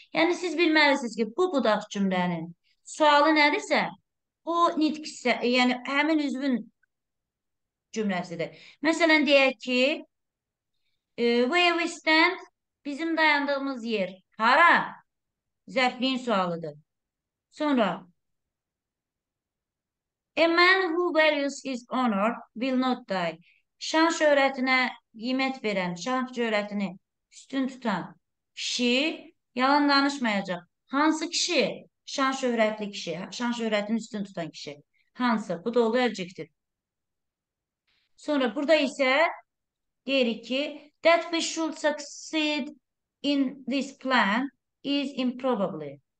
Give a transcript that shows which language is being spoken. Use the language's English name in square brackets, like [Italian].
[Azerbaijani] Yəni siz bilməlisiniz ki, bu budaq cümlənin sualı nədirsə, o nitq isə, yəni həmin üzvün cümləsidir. Məsələn, deyək ki, [English] where we stand, [Azerbaijani] bizim dayandığımız yer. Hara? Zərfliyin sualıdır. [English] Sonra, a man who values his honor will not die. [Azerbaijani] Şan şöhrətinə qiymət verən, şan şöhrətini üstün tutan kişi yalan danışmayacaq. Hansı kişi? Şan şöhrətli kişi, şan şöhrətini üstün tutan kişi. Hansı? Bu da oldu adjektiv. Sonra burada isə deyirik ki, [English] that we should succeed in this plan is improbably.